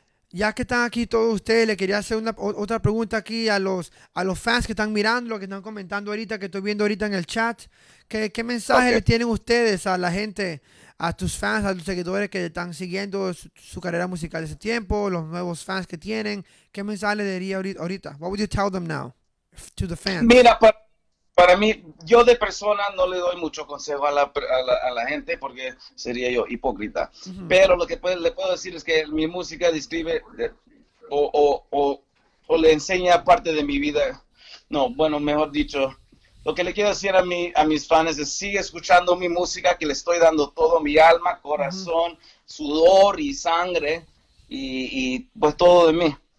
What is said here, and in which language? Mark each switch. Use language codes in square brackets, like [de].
[es] Ya que están aquí todos ustedes, le quería hacer otra pregunta aquí a los fans que están mirando, que están comentando ahorita, que estoy viendo ahorita en el chat. ¿Qué mensaje le tienen ustedes a la gente, a tus fans, a tus seguidores que están siguiendo su carrera musical de ese tiempo, los nuevos fans que tienen? ¿Qué mensaje le daría ahorita? [en] What would you tell them now to the fans? [es] Mira, para mí, yo de persona no le doy mucho consejo a la gente porque sería yo hipócrita. Uh-huh. Pero lo que le puedo decir es que mi música describe o le enseña parte de mi vida. No, bueno, mejor dicho, lo que le quiero decir a mis fans es que sigue escuchando mi música, que le estoy dando todo mi alma, corazón, sudor y sangre y pues todo de mí.